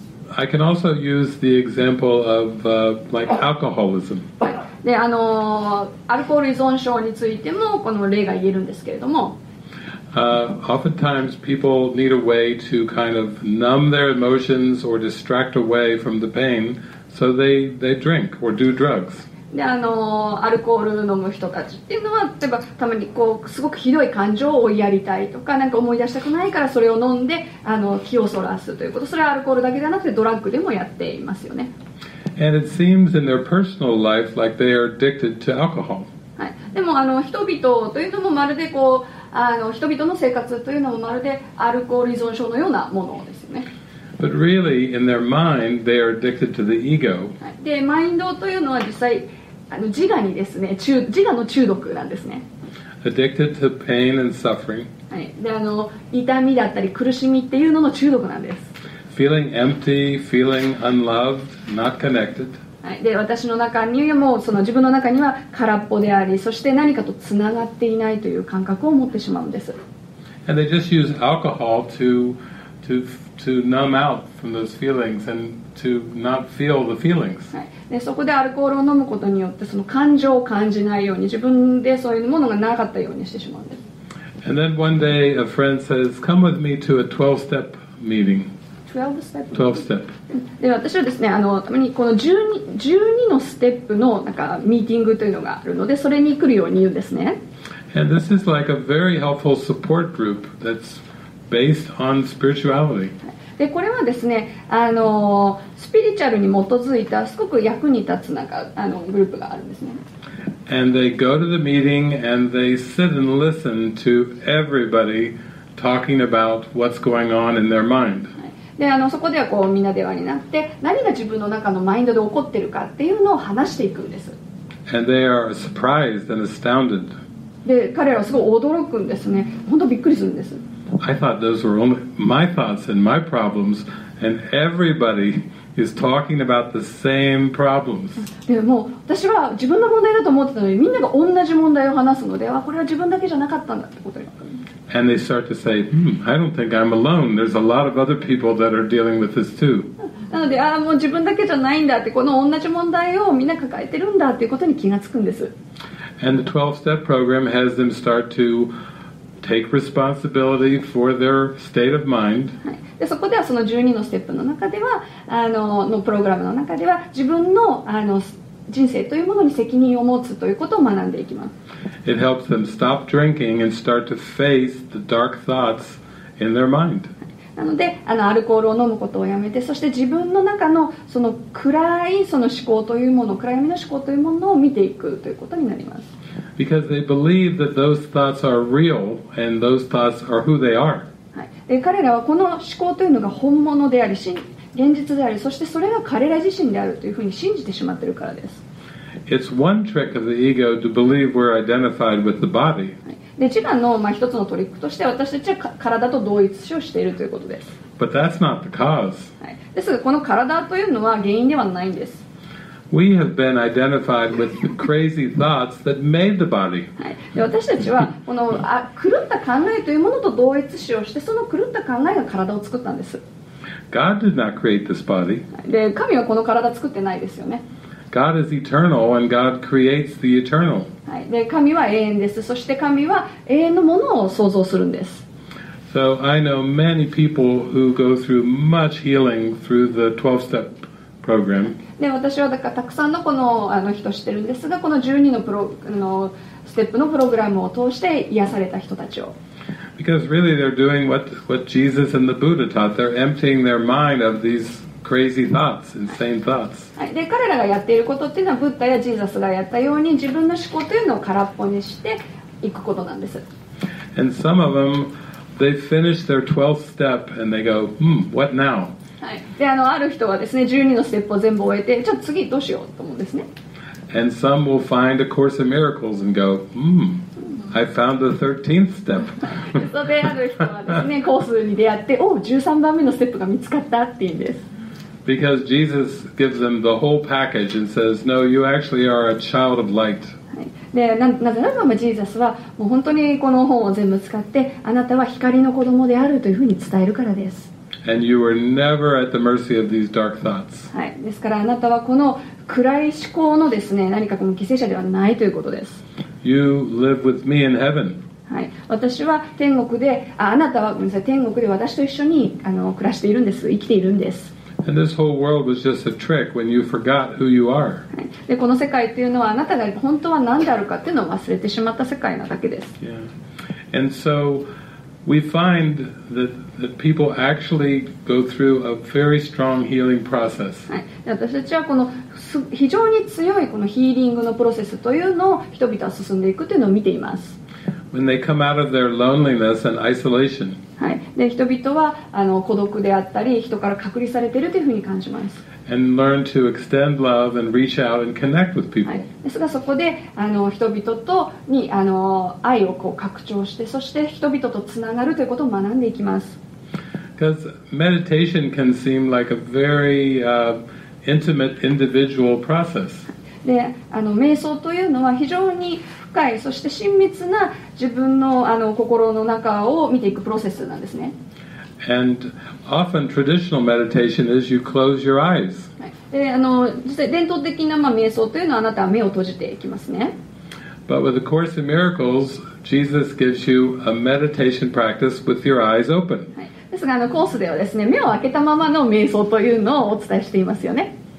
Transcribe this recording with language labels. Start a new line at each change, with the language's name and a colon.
English: I can also use the example of like alcoholism.
Japanese: で、あの、アルコール依存症についてもこの例が言えるんですけれども。
English: Oftentimes people need a way to kind of numb their emotions or distract away from the pain, so they drink or do drugs.
Japanese: で、あの、アルコール飲む人たちっていうのは、例えばたまにこうすごくひどい感情を追いやりたいとか、なんか思い出したくないからそれを飲んで、あの、気をそらすということ。それはアルコールだけじゃなくてドラッグでもやっていますよね。
English: And it seems in their personal life like they are addicted to alcohol.
Japanese: はい。でも、あの、人々というのもまるでこう、あの、人々の生活というのもまるでアルコール依存症のようなものですよね。
English: But really, in their mind, they are addicted to the ego.
Japanese: で、マインドというのは実際、あの、自我にですね、自我の中毒なんですね。
English: Addicted to pain and suffering.
Japanese: はい。で、あの、痛みだったり苦しみっていうのの中毒なんです。
English: Feeling empty, feeling unloved, not connected.
Japanese: はい。で、私の中にも、その自分の中には空っぽであり、そして何かとつながっていないという感覚を持ってしまうんです。
English: And they just use alcohol to numb out from those feelings and to not feel the feelings.、
Japanese: はい、で、そこでアルコールを飲むことによってその感情を感じないように自分でそういうものがなかったようにしてしまうんです。
English: And then one day a friend says, come with me to a 12-step meeting. 12-step.
Japanese: で、私はですね、あの、たまにこの 12のステップのなんかミーティングというのがあるので、それに来るように言うんですね。
English: And this is like a very helpful support group that'sBased on spirituality.
Japanese: で、これはですね、あの、スピリチュアルに基づいたすごく役に立つなんか、あの、グループがあるんですね。
English: And they go to the meeting and they sit and listen to everybody talking about what's going on in their mind.
Japanese: で、あの、そこではこうみんなで話になって、何が自分の中のマインドで起こってるかっていうのを話していくんです。
English: And they are surprised and astounded.
Japanese: で、彼らはすごい驚くんですね。本当びっくりするんです。
English: I thought those were only my thoughts and my problems, and everybody is talking about the same problems.
Japanese: でも、私は自分の問題だと思ってたのに、みんなが同じ問題を話すので、あ、これは自分だけじゃなかったんだってことに。
English: And they start to say, I don't think I'm alone. There's a lot of other people that are dealing with this too.
Japanese: なので、ああ、もう自分だけじゃないんだって、この同じ問題をみんな抱えてるんだっていうことに気がつくんです。
English: And the 12-step program has them start to take responsibility for their state of mind.
Japanese: で、そこではその12のステップの中では、のプログラムの中では、自分の、人生というものに責任を持つということを学んでいきます。
English: It helps them stop drinking and start to face the dark thoughts in their mind.
Japanese: なので、アルコールを飲むことをやめて、そして自分の中のその暗いその思考というもの、暗闇の思考というものを見ていくということになります。
English: Because they believe that those thoughts are real and those thoughts are who they are.
Japanese: はい。で、彼らはこの思考というのが本物であり、現実であり、そしてそれが彼ら自身であるというふうに信じてしまっているからです。
English: It's one trick of the ego to believe we're identified with the body.
Japanese: で、自我の、一つのトリックとして私たちは体と同一視をしているということです。
English: But that's not the cause.
Japanese: ですが、この体というのは原因ではないんです。
English: We have been identified with the crazy thoughts that made the body.
Japanese: で、私たちはこの狂った考えというものと同一視をして、その狂った考えが体を作ったんです。
English: God did not create this body.
Japanese: で、神はこの体作ってないですよね。
English: God is eternal and God creates the eternal.
Japanese: はい。で、神は永遠です。そして神は永遠のものを創造するんです。
English: So I know many people who go through much healing through the 12-step program.
Japanese: で、私はだからたくさんのこの、人を知ってるんですが、この12のステップのプログラムを通して癒された人たちを。
English: Because really they're doing what Jesus and the Buddha taught. They're emptying their mind of these crazy thoughts, insane thoughts.
Japanese: はい。で、彼らがやっていることっていうのは、ブッダやジーザスがやったように、自分の思考というのを空っぽにしていくことなんです。
English: And some of them, they finish their 12th step and they go, what now?
Japanese: はい。で、ある人はですね、12のステップを全部終えて、じゃあ次どうしようと思うんですね。
English: And some will find A Course in Miracles and go, I found the 13th step.
Japanese: そで、ある人はですね、コースに出会って、おう、13番目のステップが見つかったっていうんです。
English: Because Jesus gives them the whole package and says, no, you actually are a child of light.
Japanese: で、なぜならば、ジーザスは、もう本当にこの本を全部使って、あなたは光の子供であるというふうに伝えるからです。
English: And you were never at the mercy of these dark thoughts.
Japanese: はい。ですから、あなたはこの暗い思考のですね、何かこの犠牲者ではないということです。
English: You live with me in heaven.
Japanese: はい。私は天国で、あなたは、ごめんなさい、天国で私と一緒に暮らしているんです。生きているんです。
English: And this whole world was just a trick when you forgot who you are.
Japanese: で、この世界っていうのはあなたが本当は何であるかっていうのを忘れてしまった世界なだけです。
English: Yeah. And so we find that people actually go through a very strong healing process.
Japanese: はい。で、私たちはこの非常に強いこのヒーリングのプロセスというのを人々は進んでいくというのを見ています。
English: When they come out of their loneliness and isolation.
Japanese: はい、で人々は孤独であったり人から隔離されているというふうに感じます。
English: And learn to extend love and reach out and connect with people.
Japanese: はい、ですがそこで人々とに愛をこう拡張してそして人々とつながるということを学んでいきます。
English: Because meditation can seem like a very intimate individual process.
Japanese: で瞑想というのは非常にそして親密な自分の心の中を見ていくプロセスなんですね。
English: And often traditional meditation is you close your eyes.
Japanese: はい。で、実際伝統的な瞑想というのはあなたは目を閉じていきますね。
English: But with the Course in Miracles, Jesus gives you a meditation practice with your eyes open.
Japanese: はい。ですがコースではですね、目を開けたままの瞑想というのをお伝えしていますよね。